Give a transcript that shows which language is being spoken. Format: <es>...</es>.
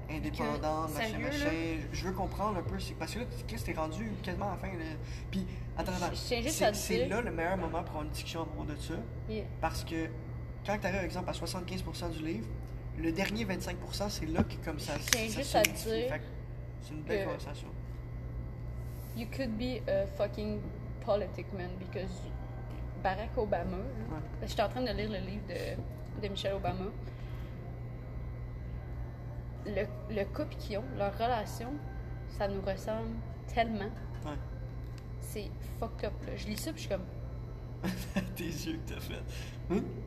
<fr>Indépendant, machin, machin. Je veux comprendre un peu. C'est... Parce que là, Chris, t'es rendu quasiment à la fin. Là. Puis, attends. C'est là le meilleur moment pour avoir une discussion à propos de ça. Yeah. Parce que quand t'arrives, par exemple, à 75% du livre, le dernier 25%, c'est là que comme ça se passe. Je tiens juste à dire. Fait, c'est une belle conversation.</fr> <en>You could be a fucking politician because Barack Obama. Ouais.</en> <fr>J'étais en train de lire le livre de Michelle Obama. Le couple qu'ils ont, leur relation, ça nous ressemble tellement. Ouais. C'est fucked up, là. Je lis ça, puis je suis comme... Tes yeux que t'as fait.</fr>